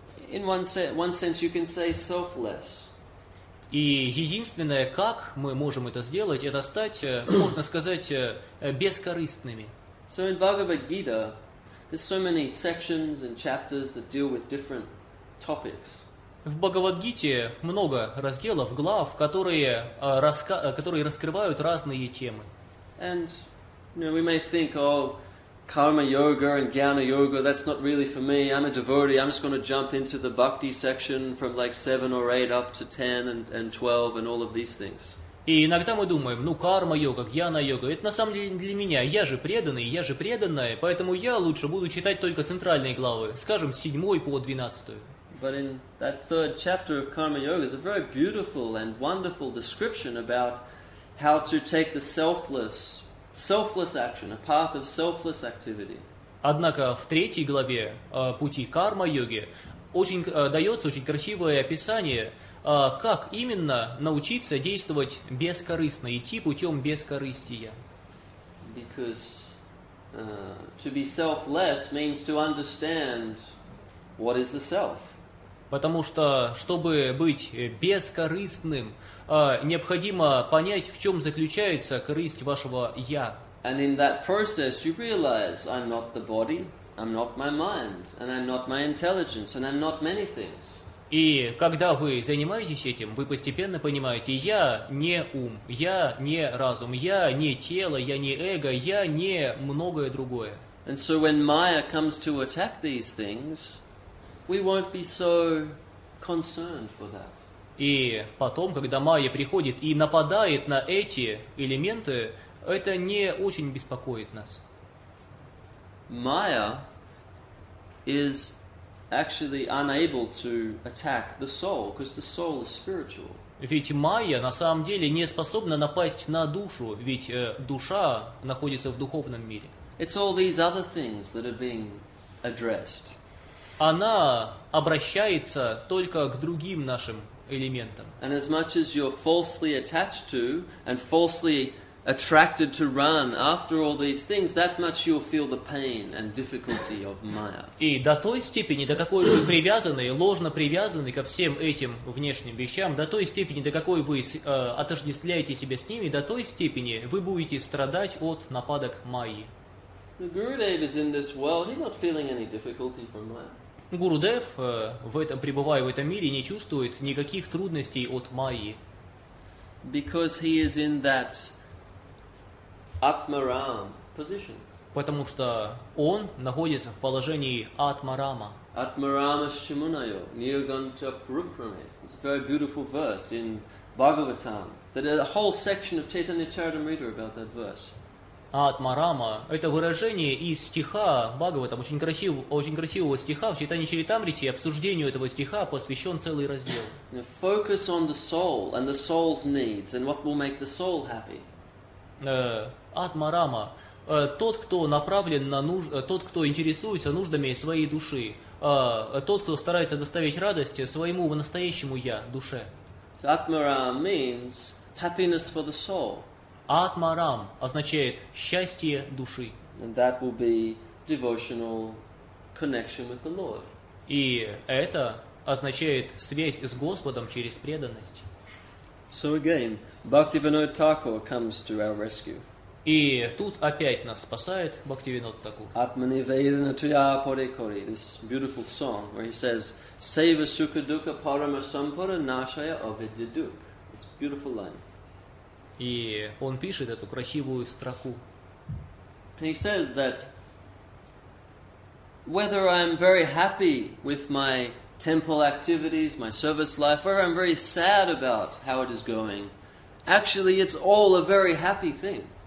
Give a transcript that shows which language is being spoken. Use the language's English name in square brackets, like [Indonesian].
[English] In one sense, you can say selfless. [Russian] И единственное, как мы можем это сделать, это стать, можно сказать, бескорыстными. [English] So in Bhagavad Gita, there's so many sections and chapters that deal with different topics. [Russian] В Бхагавад-гите много разделов, глав, которые, которые раскрывают разные темы. [English] And, you know, we may think, oh, karma yoga and jnana yoga, that's not really for me. I'm a devotee. I'm just going to jump into the bhakti section from like 7 or 8 up to 10 and 12 and all of these things. [Russian] И иногда мы думаем, ну карма йога, гьяна йога, это на самом деле не для меня. Я же преданный, я же преданная, поэтому я лучше буду читать только центральные главы, скажем, 7 по 12. [English] But in that third chapter of karma yoga is a very beautiful and wonderful description about how to take the selfless action, a path of selfless activity. [Russian] Однако в третьей главе пути карма йоги очень дается очень красивое описание. Как именно научиться действовать бескорыстно, идти путем бескорыстия? [English] Because to be selfless means to understand what is the self. [Russian] Потому что, чтобы быть бескорыстным, необходимо понять, в чем заключается корысть вашего «я». [English] And in that process you realize I'm not the body, I'm not my mind, and I'm not my intelligence, and I'm not many things. [Russian] И когда вы занимаетесь этим, вы постепенно понимаете, я не ум, я не разум, я не тело, я не эго, я не многое другое. [English] And so when Maya comes to attack these things, we won't be so concerned for that. [Russian] И потом, когда Майя приходит и нападает на эти элементы, это не очень беспокоит нас. [English] Maya is actually unable to attack the soul, because the soul is spiritual. [Russian] Ведь майя на самом деле не способна напасть на душу, ведь душа находится в духовном мире. [English] It's all these other things that are being addressed. [Russian] Она обращается только к другим нашим элементам. [English] And as much as you're falsely attached to and falsely attracted to run after all these things, that much you'll feel the pain and difficulty of Maya. [Russian] И до той степени, до какой вы привязаны, ложно привязаны ко всем этим внешним вещам, до той степени, до какой вы отождествляете себя с ними, до той степени вы будете страдать от нападок Майи. [English] The Gurudev is in this world, he's not feeling any difficulty from Maya. [Russian] Гурудев, в этом, пребывая в этом мире, не чувствует никаких трудностей от Майи. [English] Because he is in that Атмарам position. [Russian] Потому что он находится в положении Атмарама. [Sanskrit] Атмарама Шимунайо, Ниоганта Пурупраме. [English] It's a very beautiful verse in Bhagavatam. There is a whole section of Chaitanya Charitamrita about that verse. [Russian] Атмарама – это выражение из стиха Бхагаватам, очень красивого стиха в Чайтанья Чаритамрите, и обсуждению этого стиха посвящен целый раздел. [English] Focus on the soul and the soul's needs and what will make the soul happy. [Russian] Атмарама, тот, кто направлен на тот, кто интересуется нуждами своей души, тот, кто старается доставить радость своему настоящему я, душе. [English] Атмарам means happiness for the soul. [Russian] Атмарам означает счастье души. [English] And that will be devotional connection with the Lord. [Russian] И это означает связь с Господом через преданность. [English] So again, Bhaktivinoda Thakur comes to our rescue. [Russian] И тут опять нас спасает Бхактивинода Такур. [Bangla] Атманивейдана туя паре кори. [English] This beautiful song where he says, [Bangla] Сейва сука дука парама сампара нашая авидья дук. [English] This beautiful line. [Russian] И он пишет эту красивую строку. [English] He says that whether I am very happy with my temple activities, my service life, or I'm very sad about how it is going, actually it's all a very happy thing.